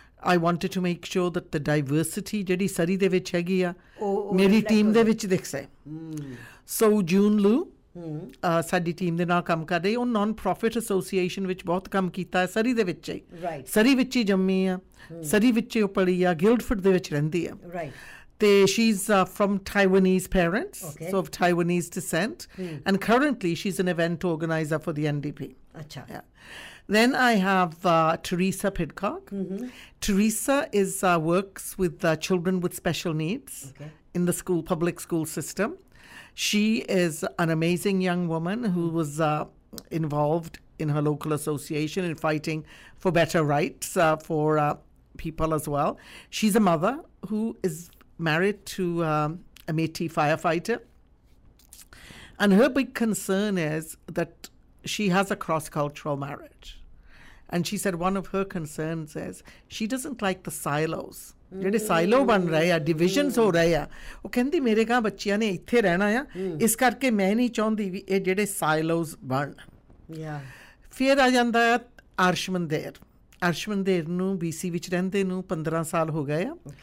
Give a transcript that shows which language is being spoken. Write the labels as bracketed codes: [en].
[en] I wanted to make sure that the diversity [pa] ਜਿਹੜੀ ਸਰੀ ਦੇ ਵਿੱਚ ਹੈਗੀ ਆ ਮੇਰੀ ਟੀਮ ਦੇ ਵਿੱਚ ਦਿਖਸੇ ਸੋ ਜੂਨ ਲੂ ਸਾਡੀ ਟੀਮ ਦੇ ਨਾਲ ਕੰਮ ਕਰ ਰਹੀ ਉਹ ਨੋਨ ਪ੍ਰੋਫਿਟ ਐਸੋਸੀਏਸ਼ਨ ਵਿੱਚ ਬਹੁਤ ਕੰਮ ਕੀਤਾ ਸਰੀ ਦੇ ਵਿੱਚ ਹੀ ਸਰੀ ਵਿੱਚ ਹੀ ਜੰਮੀ ਆ ਸਰੀ ਵਿੱਚ ਹੀ ਉਹ ਪਲੀ ਆ ਗਿਲਡਫੁੱਟ ਦੇ ਵਿੱਚ ਰਹਿੰਦੀ ਆ ਅਤੇ [en] she is from Taiwanese parents so Taiwanese descent and currently she is an event organizer for the NDP [pa] ਅੱਛਾ [en] Then I have Teresa Pidcock. Mm-hmm. Teresa is works with children with special needs okay. in the school public school system. She is an amazing young woman who was involved in her local association in fighting for better rights for people as well. She's a mother who is married to a Métis firefighter. And her big concern is that she has a cross-cultural marriage. And she said one of her concerns is she doesn't like the silos. [pa] ਜਿਹੜੇ silo ਬਣ ਰਹੇ ਆ divisions ਹੋ ਰਹੇ ਆ ਉਹ ਕਹਿੰਦੀ ਮੇਰੇ ਕਾਂ ਬੱਚਿਆਂ ਨੇ ਇੱਥੇ ਰਹਿਣਾ ਆ ਇਸ ਕਰਕੇ ਮੈਂ ਨਹੀਂ ਚਾਹੁੰਦੀ ਵੀ ਇਹ ਜਿਹੜੇ ਸਾਈਲੋਜ਼ ਬਣ ਫਿਰ ਆ ਜਾਂਦਾ ਆ ਅਰਸ਼ਮਨ ਦੇਰ ਅਰਸ਼ਮਨ ਦੇਰ ਨੂੰ ਬੀ ਸੀ ਵਿੱਚ ਰਹਿੰਦੇ ਨੂੰ 15 ਸਾਲ ਹੋ ਗਏ ਆ।